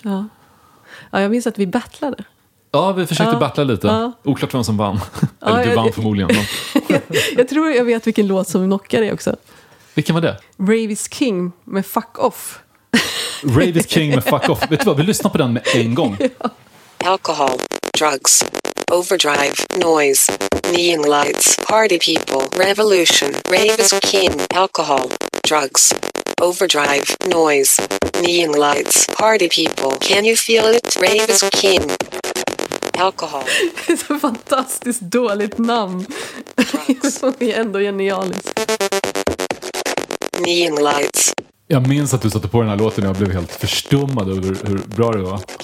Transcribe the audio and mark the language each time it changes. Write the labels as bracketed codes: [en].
[sv] Ja, jag minns att vi battlade. Ja, vi försökte battla lite. Ja. Oklart vem som vann. Ja, eller du vann förmodligen. jag tror jag vet vilken låt som knockar dig också. Vilken var det? Rave is King med Fuck Off. Rave is King med Fuck Off. Vet du vad, vi lyssnar på den med en gång. Ja. [en] Alcohol, drugs, overdrive, noise, neon lights, party people, revolution, rave is king, alcohol, drugs, overdrive, noise, neon lights, party people, can you feel it, rave is king, alcohol. [sv] Det är så fantastiskt dåligt namn. Drugs. Det är ändå genialiskt. [en] Neon lights. [sv] Jag minns att du satte på den här låten och jag blev helt förstummad över hur bra det var.